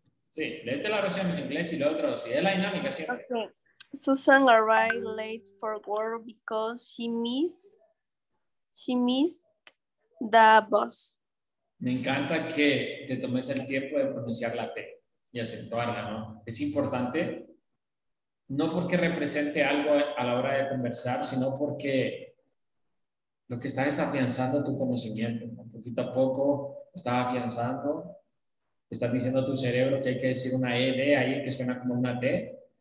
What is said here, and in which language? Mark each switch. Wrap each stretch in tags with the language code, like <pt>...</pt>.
<es>Sí, léete la oración en inglés y la otra. Sí, es la dinámica siempre.</es> <en>Okay. Susan arrived late for work because she missed the bus.</en> <es>Me encanta que te tomes el tiempo de pronunciar la T y acentuarla, ¿no? Es importante, no porque represente algo a la hora de conversar, sino porque lo que estás es afianzando tu conocimiento, ¿no? Poquito a poco estás afianzando, estás diciendo a tu cerebro que hay que decir una ED ahí que suena como una T.</es>